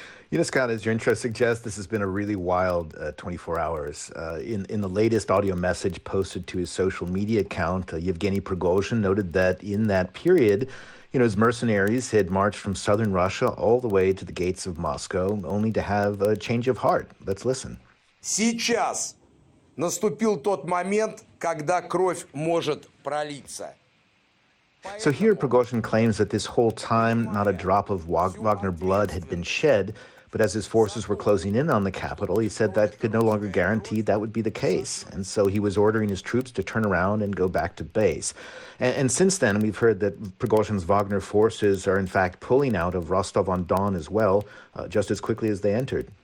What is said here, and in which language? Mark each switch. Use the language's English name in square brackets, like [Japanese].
[English] You know, Scott, as your intro suggests, this has been a really wild 24 hours. In the latest audio message posted to his social media account, Yevgeny Prigozhin noted that in that period, you know, his mercenaries had marched from southern Russia all the way to the gates of Moscow, only to have a change of heart. Let's listen. [Russian] Сейчас наступил тот момент, когда кровь может пролиться. [English] So here, Prigozhin claims that this whole time, not a drop of Wagner blood had been shed, but as his forces were closing in on the capital, he said that could no longer guarantee that would be the case. And so he was ordering his troops to turn around and go back to base. And since then, we've heard that Prigozhin's Wagner forces are in fact pulling out of Rostov-on-Don as well, just as quickly as they entered.